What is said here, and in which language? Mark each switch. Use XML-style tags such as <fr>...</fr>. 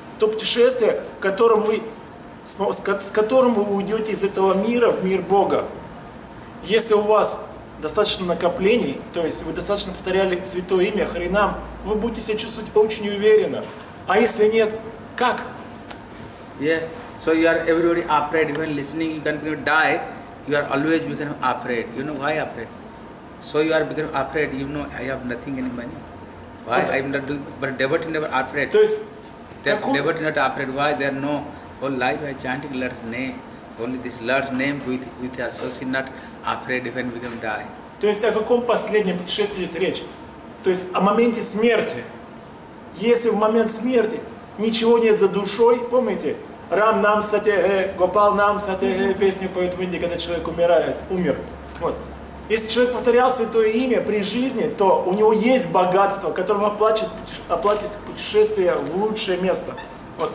<ru>То путешествие, с которым вы уйдете из этого мира в мир Бога. Если у вас достаточно накоплений, то есть вы достаточно повторяли святое имя Харинам, вы будете себя чувствовать очень уверенно. А если нет, как?</ru> <en>Yeah, so you are everybody afraid, even listening, you can become die, you are always become afraid. You know why afraid? So you are become afraid, you know I have nothing any money. Why? I am not doing, but devotee never afraid.</en> <ru>То есть, какой?</ru> <en>Devotee not afraid, why? There no, whole life I chanting Lord's name. Only this large name with the associate not afraid when we can die.</en> <ru>То есть о каком последнем путешествии идет речь? То есть о моменте смерти. Если в момент смерти ничего нет за душой, помните?</ru> <hi>Рам нам сатехе, Гопал нам сатехе,</hi> <ru>песню поют в Индии, когда человек умирает, умер. Вот. Если человек повторял святое имя при жизни, то у него есть богатство, которым оплатит путешествие в лучшее место. Вот.</ru>